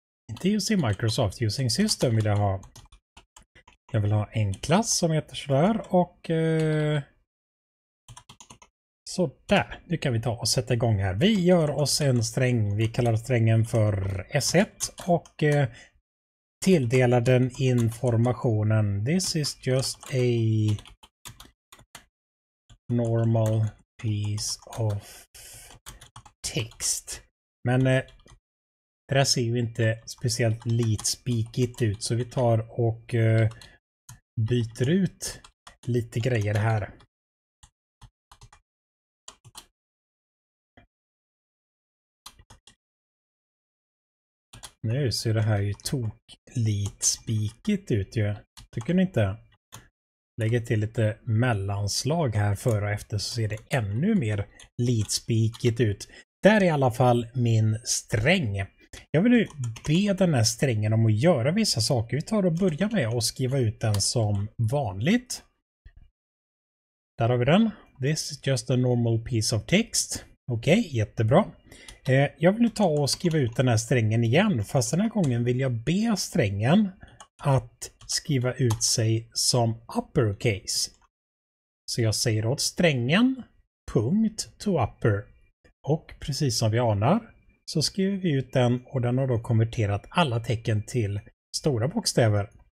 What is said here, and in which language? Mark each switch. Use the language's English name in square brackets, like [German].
[Swedish] Inte using Microsoft, using system vill jag ha. Jag vill ha en klass som heter sådär och sådär. Nu kan vi ta och sätta igång här. Vi gör oss en sträng. Vi kallar strängen för S1 och tilldelar den informationen. [English] This is just a normal piece of text. [Swedish] Men det här ser ju inte speciellt litspikigt ut, så vi tar och byter ut lite grejer här. Nu ser det här ju toklitspikigt ut ju. Tycker ni inte? Lägger till lite mellanslag här före och efter så ser det ännu mer litspikigt ut. Där är i alla fall min sträng. Jag vill nu be den här strängen om att göra vissa saker. Vi tar och börjar med att skriva ut den som vanligt. Där har vi den. [English] This is just a normal piece of text. [Swedish] Okej, okay, jättebra. Jag vill nu ta och skriva ut den här strängen igen. Fast den här gången vill jag be strängen att skriva ut sig som uppercase. Så jag säger åt strängen punkt to upper. Och precis som vi anar så skriver vi ut den och den har då konverterat alla tecken till stora bokstäver.